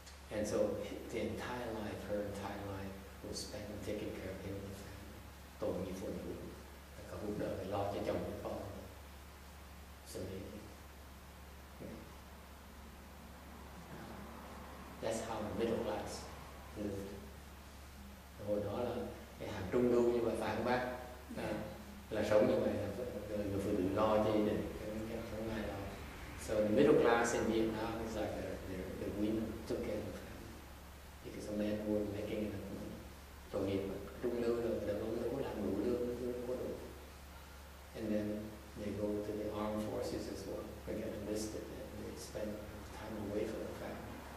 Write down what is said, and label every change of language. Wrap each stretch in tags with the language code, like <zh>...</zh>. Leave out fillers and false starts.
<en>And so her entire life was spent on taking care of him and the family.</en> <vi>Tội nghiệp phụ nữ, cả cuộc đời phải lo cho chồng và con.</vi> <en>So maybe. That's how the middle class lived.</en> <vi>Hồi đó là cái hàng trung lưu như bà phản bác là sống như vậy, người phụ nữ lo cho gia đình, cái không ai lo.</vi> <en>So the middle class in Vietnam is like the women took care of. Because a man would make enough money.</en> <vi>Tội nghiệp mà, trung lưu rồi, người ta vẫn đủ làm đủ lương, đủ có đủ.</vi> <en>And then they go to the armed forces as well. They get enlisted and they spend time away from the family.</en>